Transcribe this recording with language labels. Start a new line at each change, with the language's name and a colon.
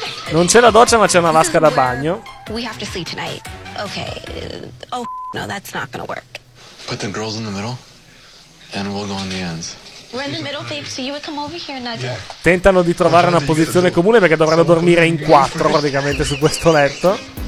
Italian: Non c'è la doccia, ma c'è una vasca da bagno.
English: We have to sleep tonight. Okay. Oh, no, that's not gonna work. Put the girls in the middle, and we'll go on the ends. We're in the middle, babe, so you would come over here, Nugget. Yeah.
Italian: Tentano di trovare una posizione comune perché dovranno dormire in quattro praticamente su questo letto.